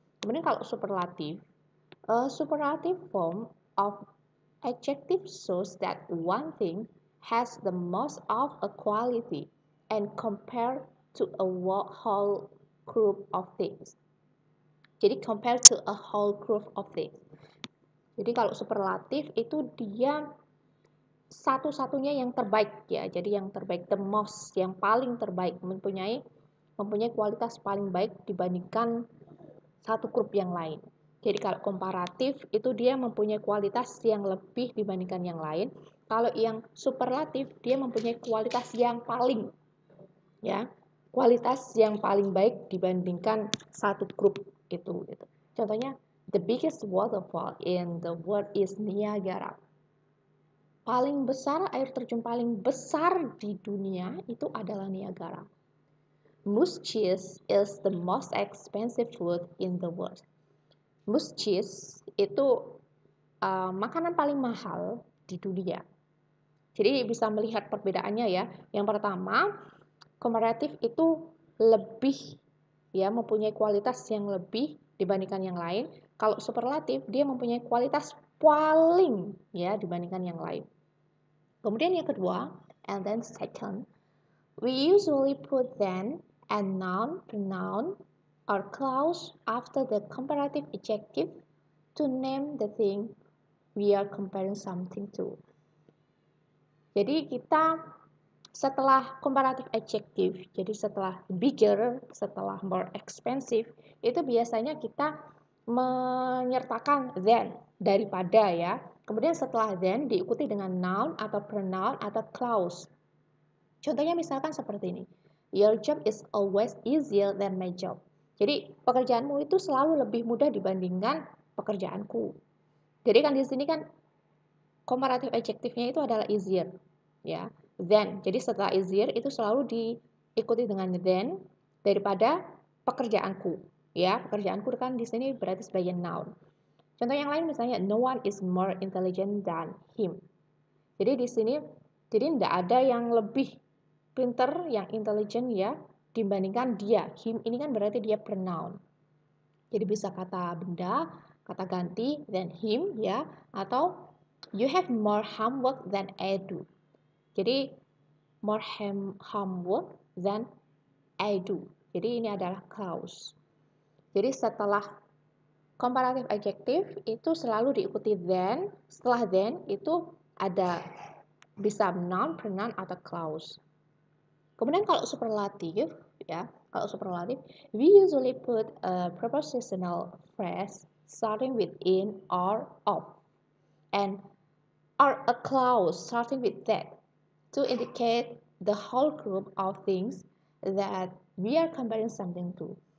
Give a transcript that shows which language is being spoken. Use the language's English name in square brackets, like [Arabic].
[Indonesian] Kemudian kalau [English] superlative, a superlative form of adjective shows that one thing has the most of a quality and compared to a whole group of things. [Indonesian] Jadi [English] compared to a whole group of things. [Indonesian] Jadi kalau superlatif itu dia satu-satunya yang terbaik ya. Jadi yang terbaik, [English] the most, [Indonesian] yang paling terbaik, mempunyai kualitas paling baik dibandingkan satu grup yang lain. Jadi kalau komparatif itu dia mempunyai kualitas yang lebih dibandingkan yang lain. Kalau yang superlatif dia mempunyai kualitas yang paling ya, kualitas yang paling baik dibandingkan satu grup itu gitu. Contohnya [English] the biggest waterfall in the world is Niagara. [Indonesian] Paling besar, air terjun paling besar di dunia itu adalah Niagara. [English] Moose cheese is the most expensive food in the world. [Indonesian] Moose cheese itu makanan paling mahal di dunia. Jadi bisa melihat perbedaannya ya. Yang pertama, comparative itu lebih ya, mempunyai kualitas yang lebih dibandingkan yang lain. Kalau superlatif, dia mempunyai kualitas paling ya dibandingkan yang lain. Kemudian yang kedua, [English] and then second, we usually put then and noun, pronoun, or clause after the comparative adjective to name the thing we are comparing something to. [Indonesian] Jadi kita setelah comparative adjective, jadi setelah bigger, setelah more expensive, itu biasanya kita menyertakan then daripada ya. Kemudian setelah then diikuti dengan noun atau pronoun atau clause. Contohnya misalkan seperti ini. [English] Your job is always easier than my job. [Indonesian] Jadi pekerjaanmu itu selalu lebih mudah dibandingkan pekerjaanku. Jadi kan di sini kan comparative adjective-nya itu adalah easier ya. Then. Jadi setelah easier itu selalu diikuti dengan then daripada pekerjaanku. Ya, pekerjaanku kan di sini berarti sebagai noun. Contoh yang lain misalnya, [English] no one is more intelligent than him. [Indonesian] Jadi di sini Jadi tidak ada yang lebih pinter, yang intelijen ya, dibandingkan dia. Him ini kan berarti dia pronoun. Jadi bisa kata benda, kata ganti, then him ya, atau [English] you have more homework than I do. [Indonesian] Jadi [English] more homework than I do. [Indonesian] Jadi ini adalah clause. Jadi setelah komparatif adjektif itu selalu diikuti then. Setelah then itu ada bisa noun, pronoun, atau clause. Kemudian kalau superlatif, ya, kalau superlatif, [English] we usually put a prepositional phrase starting with in or of, and or a clause starting with that to indicate the whole group of things that we are comparing something to.